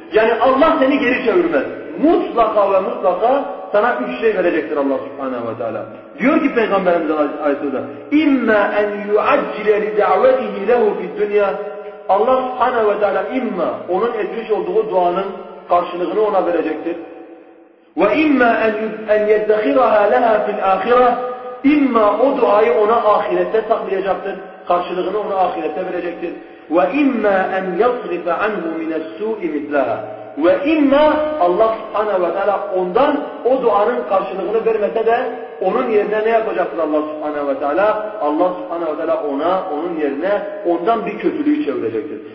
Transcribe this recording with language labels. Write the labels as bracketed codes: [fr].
[tr] Yani Allah seni geri çevirmez. Mutlaka ve mutlaka sana üç şey verecektir Allah subhanehu ve teala. Diyor ki Peygamberimiz aleyhisselam, [ar] اِمَّا اَنْ يُعَجِّلَ لِدَعْوَتِهِ لَهُ فِي الدُّنْيَا [tr] Allah subhanehu ve teala اِمَّا onun etmiş olduğu duanın karşılığını ona verecektir. [ar] وَاِمَّا اَنْ يَدَّخِرَهَا لَهَا فِي الْآخِرَةِ اِمَّا [tr] o duayı ona ahirette saklayacaktır. Karşılığını ona ahirette verecektir. [ar] وَاِمَّا اَنْ يَصْرِفَ عَنْهُ مِنَ السُّءِ مِثْلَهَا وَاِمَّا [tr] Allah subhanehu ve teala ondan o duanın karşılığını vermese de onun yerine ne yapacaktır Allah subhanehu ve teala? Allah subhanehu ve teala ona, onun yerine ondan bir kötülüğü çevirecektir.